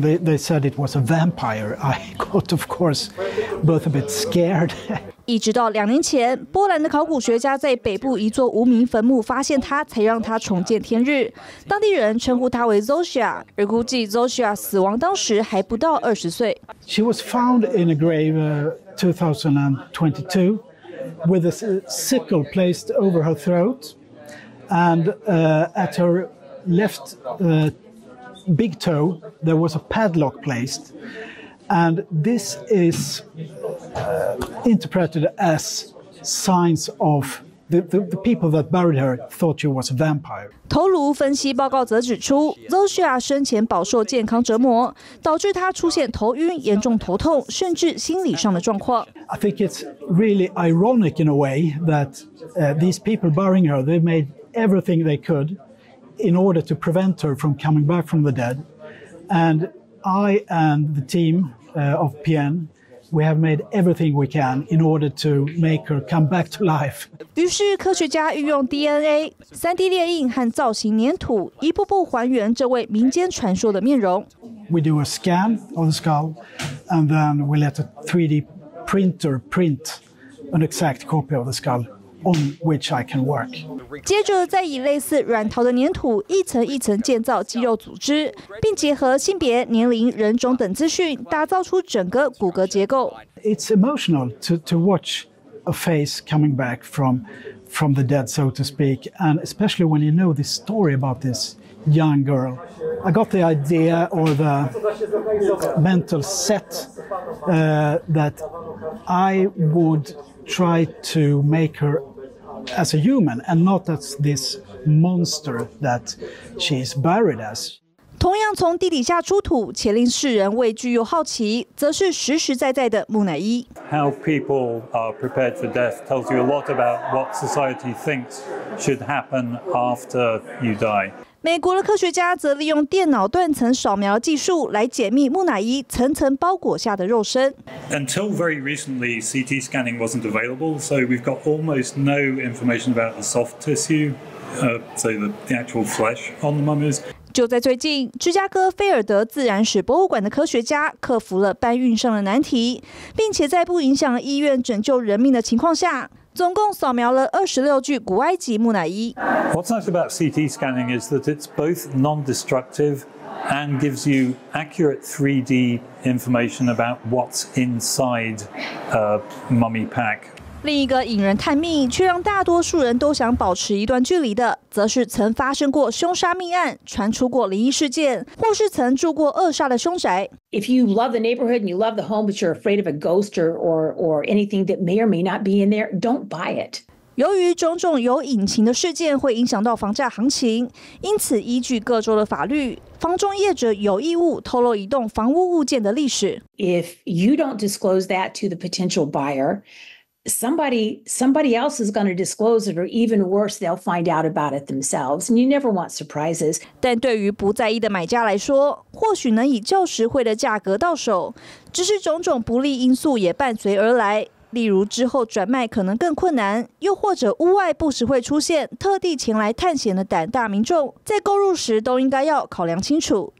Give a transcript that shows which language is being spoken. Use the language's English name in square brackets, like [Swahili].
[English] they said it was a vampire, I got, of course, both a bit scared. [Chinese] 一直到2年前，波兰的考古学家在北部一座无名坟墓发现她，才让她重见天日。当地人称呼她为 Zosia， 而估计 Zosia 死亡当时还不到20岁。 [English] She was found in a grave, 2022. With a sickle placed over her throat, and at her left big toe, there was a padlock placed. And this is interpreted as signs of the people that buried her thought she was a vampire. [Chinese] 头颅分析报告则指出 ，Zosia 生前饱受健康折磨，导致她出现头晕、严重头痛，甚至心理上的状况。 [English] I think it's really ironic in a way that these people burying her, they made everything they could in order to prevent her from coming back from the dead. And I and the team of PN. We have made everything we can in order to make her come back to life. [Chinese] 于是科学家运用 DNA、3D 列印和造型粘土，一步步还原这位民间传说的面容。 [English] We do a scan of the skull, and then we let a 3D printer print an exact copy of the skull. On which I can work. [Chinese] 接着再以类似软陶的粘土一层一层建造肌肉组织，并结合性别、年龄、人种等资讯，打造出整个骨骼结构。 [English] It's emotional to watch a face coming back from the dead, so to speak, and especially when you know this story about this young girl. I got the idea or the mental set that I would. Try to make her as a human and not as this monster that she is buried as. [Chinese] 同样从地底下出土且令世人畏惧又好奇，则是实实在在的木乃伊。 [English] How people are prepared for death tells you a lot about what society thinks should happen after you die. [Chinese] 美国的科学家则利用电脑断层扫描技术来解密木乃伊层层包裹下的肉身。 [English] Until very recently, CT scanning wasn't available, so we've got almost no information about the soft tissue, so the actual flesh on the mummies. [Chinese] 就在最近，芝加哥菲尔德自然史博物馆的科学家克服了搬运上的难题，并且在不影响医院拯救人命的情况下。总共扫描了26具古埃及木乃伊。 [English] What's nice about CT scanning is that it's both non-destructive and gives you accurate 3D information about what's inside a mummy pack. [Chinese] 另一个引人探秘却让大多数人都想保持一段距离的，则是曾发生过凶杀命案、传出过灵异事件，或是曾住过恶煞的凶宅。 [English] If you love the neighborhood and you love the home, but you're afraid of a ghost or anything that may or may not be in there, don't buy it. [Chinese] 由于种种有隐情的事件会影响到房价行情，因此依据各州的法律，房仲业者有义务透露一栋房屋物件的历史。 [English] If you don't disclose that to the potential buyer,Somebody else is going to disclose it, or even worse, they'll find out about it themselves. And you never want surprises. [Chinese] 但对于不在意的买家来说，或许能以较实惠的价格到手，只是种种不利因素也伴随而来，例如之后转卖可能更困难，又或者屋外不时会出现特地前来探险的胆大民众，在购入时都应该要考量清楚。